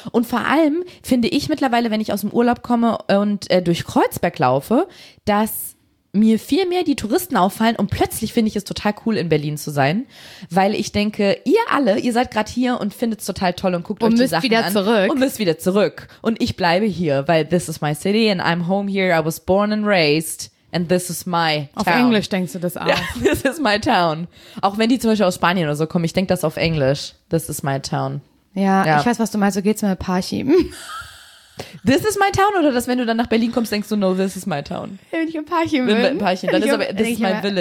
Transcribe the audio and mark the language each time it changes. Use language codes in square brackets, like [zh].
[de] Und vor allem finde ich mittlerweile, wenn ich aus dem Urlaub komme und durch Kreuzberg laufe, dass mir viel mehr die Touristen auffallen und plötzlich finde ich es total cool, in Berlin zu sein, weil ich denke, ihr alle, ihr seid gerade hier und findet es total toll und guckt und euch die Sachen an. Und müsst wieder zurück. Und müsst wieder zurück. Und ich bleibe hier, weil [en] this is my city and I'm home here, I was born and raised and this is my town. [de] Auf Englisch denkst du das auch. Ja, [en] this is my town. [de] Auch wenn die zum Beispiel aus Spanien oder so kommen, ich denke das auf Englisch. [en] This is my town. [de] Ja, ja, ich weiß, was du meinst, so geht's mir mit Parchim. [en] This is my town [de] oder das, wenn du dann nach Berlin kommst, denkst du, [en] no, this is my town. [de] Wenn ich in Parchim bin. In Parchim, dann ist aber, [en] this is my village.